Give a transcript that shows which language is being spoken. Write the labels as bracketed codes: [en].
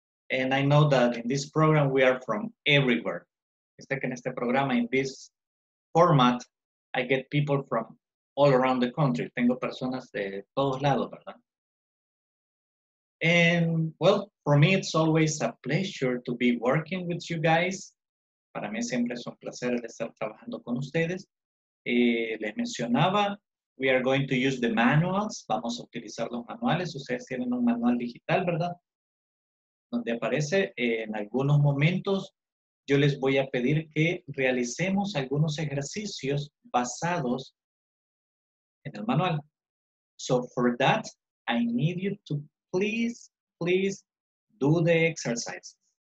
[en] And I know that in this program we are from everywhere. [es] Este que en este programa, [en] in this format, I get people from all around the country. [es] Tengo personas de todos lados, ¿verdad? [en] And, well, for me, it's always a pleasure to be working with you guys. [es] Para mí siempre es un placer estar trabajando con ustedes. Les mencionaba, [en] We are going to use the manuals. [es] Vamos a utilizar los manuales. Ustedes tienen un manual digital, ¿verdad? Donde aparece en algunos momentos. Yo les voy a pedir que realicemos algunos ejercicios basados en el manual. [en] So for that, I need you to please, please do the exercises.